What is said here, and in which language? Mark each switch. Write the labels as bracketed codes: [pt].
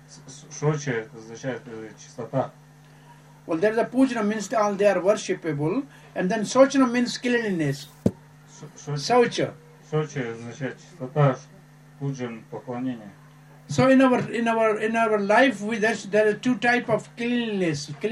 [ru] Socha означает чистота. [en] Well, there is a Pujana means all they are worshipable. And then Sochanam means cleanliness. [sa] Socha. [ru] Socha означает чистота. Pujan поклонение. [en] So in our life there are two type of cleanliness.